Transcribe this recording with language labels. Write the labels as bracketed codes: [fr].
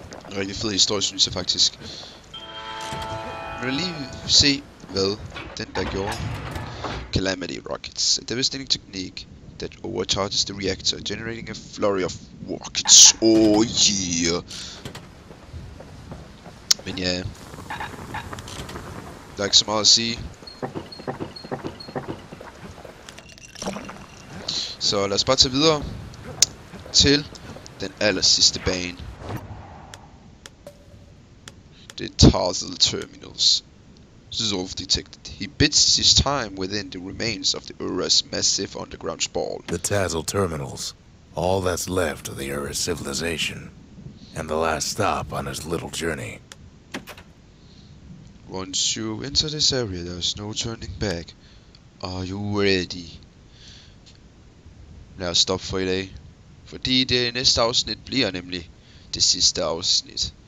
[da] En rigtig fed historie, synes jeg faktisk. Vi vil lige se, hvad den der gjorde. Calamity Rockets. Det var stilling teknik. [en] That overcharges the reactor, generating a flurry of rockets. Oh yeah. [da] Men ja, der er ikke så meget at sige. Så lad os bare tage videre til den allersidste bane. [en] The Tarsal Terminals. Zolf detected. He bids his time within the remains of the Ura's massive underground spall. The Tarsal Terminals. All that's left of the Ura civilization. And the last stop on his little journey. Once you enter this area, there's no turning back. Are you ready? [da] Lad os stoppe for i dag. Fordi det næste afsnit bliver nemlig det sidste afsnit.